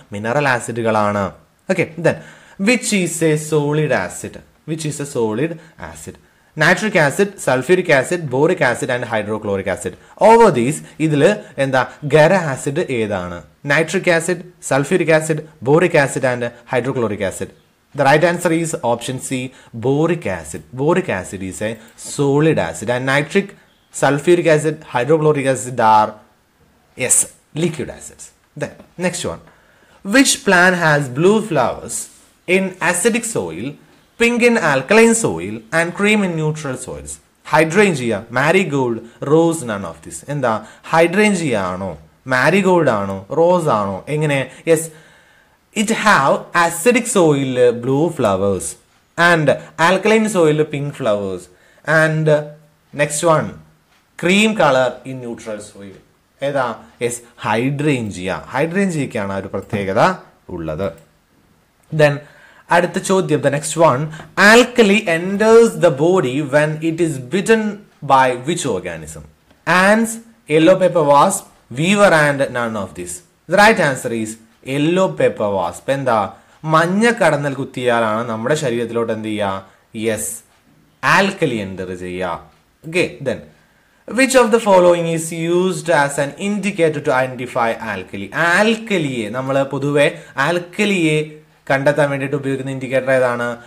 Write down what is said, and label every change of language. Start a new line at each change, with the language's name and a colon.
English: Mineral ആസിഡുകളാണ്. Okay, then which is a solid acid? Which is a solid acid? Nitric acid, sulphuric acid, boric acid and hydrochloric acid. Over these,
Malayalam: ഇതിൽ എന്താ ഖര acid ഏതാണ്?
English: Nitric acid, sulphuric acid, boric acid and hydrochloric acid. The right answer is option C, boric acid. Boric acid is a solid acid. And nitric, sulfuric acid, hydrochloric acid are, yes, liquid acids. Then, next one. Which plant has blue flowers in acidic soil, pink in alkaline soil, and cream in neutral soils? Hydrangea, marigold, rose, none of this. And the hydrangea ano, marigold ano, rose ano, engane, yes, it have acidic soil blue flowers and alkaline soil pink flowers and next one cream color in neutral soil.
Malayalam: Eda is hydrangea. Hydrangea ki ana oru prathegatha ullathu.
English: Then
Malayalam: adutha chodyam,
English: the next one, alkali enters the body when it is bitten by which organism? Ants, yellow paper wasp, weaver and none of this. The right answer is yellow paper wasp.
Malayalam: എന്താ മഞ്ഞ കടന്നൽ കുത്തിയാലാണ് നമ്മുടെ ശരീരത്തിലോട്ട് എന്ത് ചെയ്യുക?
English: Yes, alkali enter ചെയ്യുക. Okay, then which of the following is used as an indicator to identify alkali?
Malayalam: ആൽക്കലിയെ നമ്മൾ പൊതുവെ ആൽക്കലിയെ കണ്ടെത്താൻ വേണ്ടിയിട്ട് ഉപയോഗിക്കുന്ന ഇൻഡിക്കേറ്റർ ഏതാണ്?